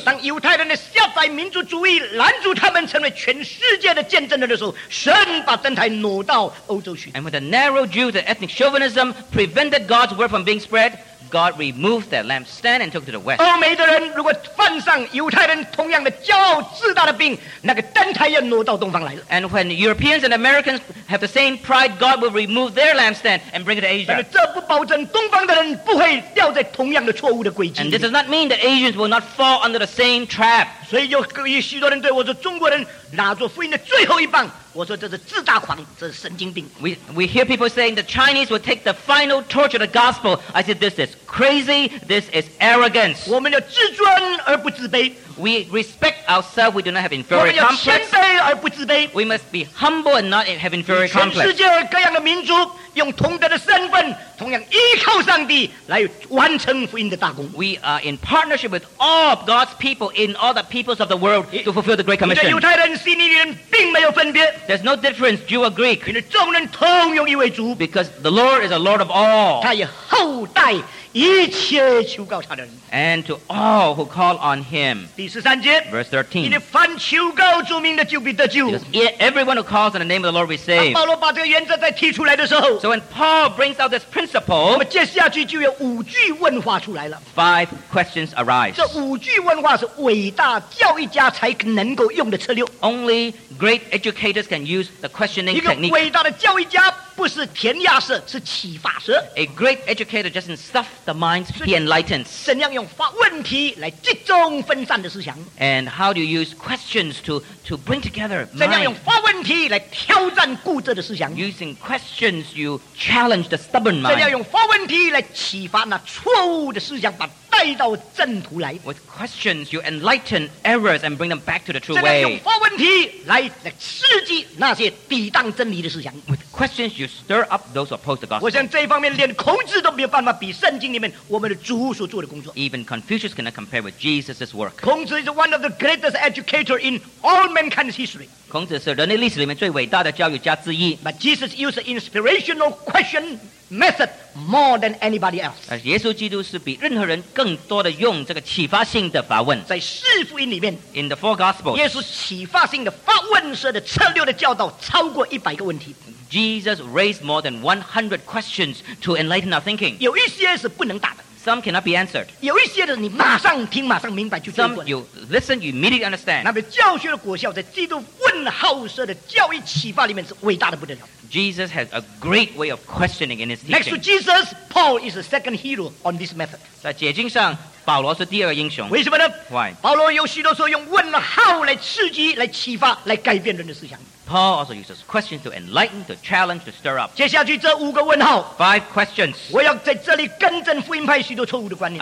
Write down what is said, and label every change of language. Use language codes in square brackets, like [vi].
[zh] 当犹太人的狭窄民族主义拦住他们成为全世界的见证人的时候，神把灯台挪到欧洲去。 [en] And when the narrow Jews, the ethnic chauvinism, prevented God's word from being spread, God removed their lampstand and took it to the west. [zh] 欧美的人如果犯上犹太人同样的骄傲自大的病，那个灯台要挪到东方来了。 [en] And when Europeans and Americans have the same pride, God will remove their lampstand and bring it to Asia. [zh] 但是这不保证东方的人不会掉在同样的错误的轨迹。 [en] And this does not mean that Asians will not fall under the same trap. [zh] 所以有许多人对我说，中国人拿着福音的最后一棒。我说这是自大狂，这是神经病。 [en] We hear people saying the Chinese will take the final torch of the gospel. I said this is crazy. This is arrogance. [zh] 我们要自尊而不自卑。 [en] We respect ourselves. We do not have inferior complex. [zh] 我们要谦卑而不自卑。 [en] We must be humble and not have inferior complex. [zh] 全世界各样的民族用同等的身份，同样依靠上帝来完成福音的大功。 [en] We are in partnership with all of God's people in all the peoples of the world to fulfill the Great Commission. [zh] 犹太人、希利尼人并没有分别。 [en] There's no difference, Jew or Greek. [zh] 因为众人同有一位主。 [en] Because the Lord is a Lord of all. [zh] 他也厚待一切求告他的人。 [en] And to all who call on him. [zh] 第十三节。 [en] Verse 13. [zh] 因为凡求告主名的就必得救。 [en] Because everyone who calls on the name of the Lord will be saved. [zh] 保罗把这个原则再提出来的时候。 [en] So when Paul brings out this principle. [zh] 那么接下去就有五句问话出来了。 [en] Five questions arise. [zh] 这五句问话是伟大教育家才能够用的策略。 [en] Only great educators can use the questioning technique. [zh] 一个伟大的教育家。不是填鸭式，是启发式。 [en] A great educator doesn't stuff the mind, he enlightens. [zh] 怎样用发问题来集中分散的思想？ [en] And how do you use questions to bring together mind? [zh] 怎样用发问题来挑战固执的思想？ [en] Using questions, you challenge the stubborn mind. [zh] 怎样用发问题来启发那错误的思想，把带到正途来？ [en] With questions, you enlighten errors and bring them back to the true way. [zh] 怎样用发问题来刺激那些抵挡真理的思想？ [en] With questions, you stir up those opposed to gospel. [zh] 我想这方面连孔子都没有办法比圣经里面我们的主所做的工作。 [en] Even Confucius cannot compare with Jesus' work. 孔子 is one of the greatest educators in all mankind's history. [zh] 孔子是人类历史里面最伟大的教育家之一。 [en] But Jesus used inspirational question method more than anybody else. [zh] 耶稣基督是比任何人更多的用这个启发性的发问。在四福音里面 [en] ，In the four gospels， [zh] 耶稣启发性的发问式的策略的教导超过一百个问题。 [en] Jesus raised more than 100 questions to enlighten our thinking. [zh] 有一些是不能答的。 [en] Some cannot be answered. [zh] 有一些的你马上听马上明白就结果了。 [en] Some you listen, you immediately understand. [zh] 那么教学的果效在基督问号式的教育启发里面是伟大的不得了。 [en] Jesus has a great way of questioning in his teaching. Next to Jesus, Paul is the second hero on this method. [zh] 在解经上，保罗是第二个英雄。为什么呢 [en] ？Why? [zh] 保罗有许多时候用问号来刺激、来启发、来改变人的思想。 [en] Paul also uses questions to enlighten, to challenge, to stir up. [zh] 接下去这五个问号。 [en] Five questions. [zh] 我要在这里更正福音派许多错误的观念。